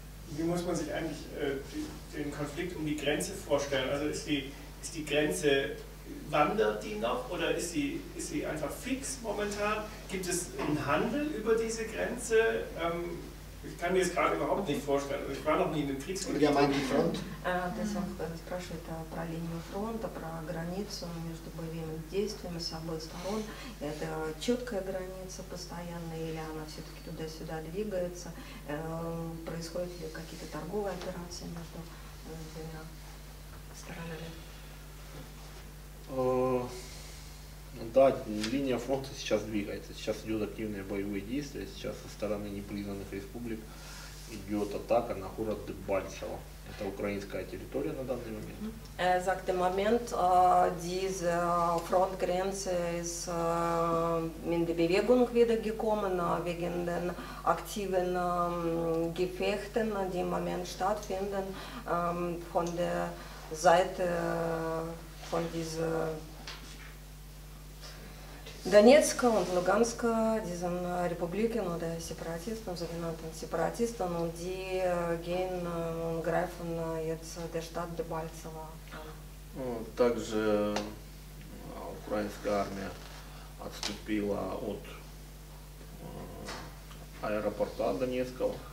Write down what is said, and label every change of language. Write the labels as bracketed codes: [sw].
[de] Wie muss man sich eigentlich den Konflikt um die Grenze vorstellen? Also ist die Grenze, wandert die noch oder ist sie einfach fix momentan? Gibt es einen Handel über diese Grenze? Ich kann mir das gerade überhaupt nicht vorstellen. Ich war noch nie in einem Kriegsgebiet. Ja, meint die Front. Deshalb [ru] спрашивает про линию фронта, про границу между боевыми действиями с обоих сторон. Это четкая граница постоянная или она все-таки туда-сюда двигается? Происходят ли какие-то торговые операции между двумя сторонами? Да, линия фронта сейчас двигается, сейчас идут активные боевые действия, сейчас со стороны непризнанных республик идет атака на город Дебальцево. Это украинская территория на данный момент. [en] Exact moment, [de] diese Frontgrenze ist in der Bewegung wieder gekommen, wegen den aktiven Gefechten, die im Moment stattfinden, von der Seite von dieser Donetsk und Lugansk, diesen Republiken oder Separatisten, sogenannten Separatisten, und die gehen und greifen jetzt der Stadt Дебальцево. [ru] Также украинская армия отступила от аэропорта Донецкого.